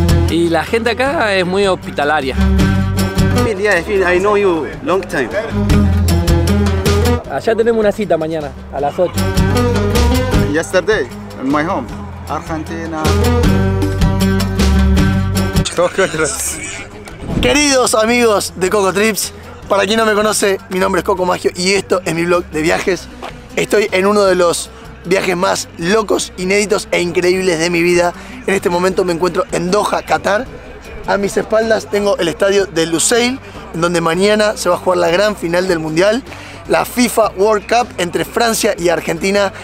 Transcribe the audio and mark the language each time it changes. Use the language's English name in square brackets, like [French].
[Spanish] Y la gente acá es muy hospitalaria. [English] I know you long time. [Spanish] Allá tenemos una cita mañana a las 8. [English] Yesterday, in my home, Argentina. [Spanish] Queridos amigos de Coco Trips, para quien no me conoce, mi nombre es Coco Maggio y esto es mi blog de viajes. Estoy en uno de los viajes más locos, inéditos e increíbles de mi vida. En este momento me encuentro en Doha, Qatar. A mis espaldas tengo el estadio de Lusail, en donde mañana se va a jugar la gran final del Mundial, la FIFA World Cup entre Francia y Argentina.